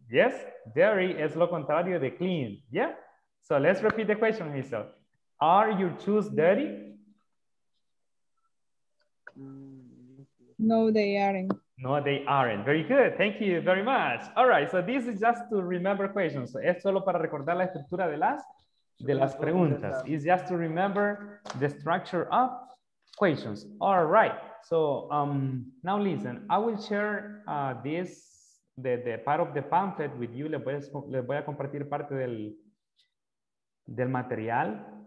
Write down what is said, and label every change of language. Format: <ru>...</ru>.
<en>Yes, dirty</en> <es>es lo contrario de</es> <en>clean. Yeah? So let's repeat the question, Hazel. Are your shoes dirty? No, they aren't. No, they aren't. Very good. Thank you very much. All right, so this is just to remember questions.</en> <es>So es solo para recordar la estructura de las preguntas.</es> <en>It's just to remember the structure of questions. All right. So now listen, I will share the part of the pamphlet with you.</en> <es>Les voy a compartir parte del material.</es>